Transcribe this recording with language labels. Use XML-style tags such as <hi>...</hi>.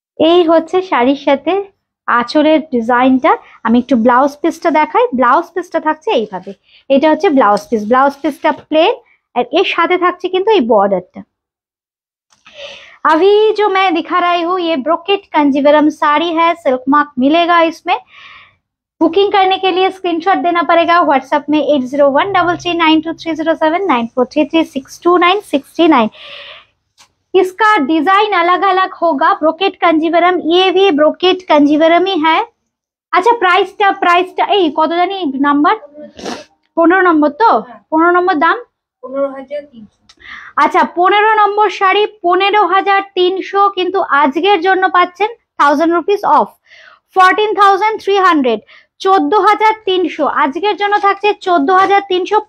<bn>এই হচ্ছে শাড়ির সাথে আঁচলের ডিজাইনটা। আমি একটু ব্লাউজ পিসটা দেখাই, ব্লাউজ পিসটা থাকছে এইভাবে, এটা হচ্ছে ব্লাউজ পিস, ব্লাউজ পিসটা প্লেন, আর এর সাথে থাকছে কিন্তু এই বর্ডারটা।</bn> <hi>अभी जो मैं दिखा रही हूँ ये ब्रोकेट कंजीवरम साड़ी है, सिल्क मार्क मिलेगा इसमें। बुकिंग करने के लिए स्क्रीनशॉट देना पड़ेगा व्हाट्सएप में 8013923079433629699। इसका डिजाइन अलग अलग होगा, ब्रोकेट कंजीवरम ये भी ब्रोकेट कंजीवरम ही है।</hi> <bn>अच्छा प्राइस टा ए कत जानी नंबर 15 नंबर, तो 15 नंबर दाम 15300। আচ্ছা 15 নম্বর শাড়ি 15300, কিন্তু আজকের জন্য পাচ্ছেন 1000 রুপিস অফ, 14300, 14300 আজকের জন্য থাকছে 14300।</bn>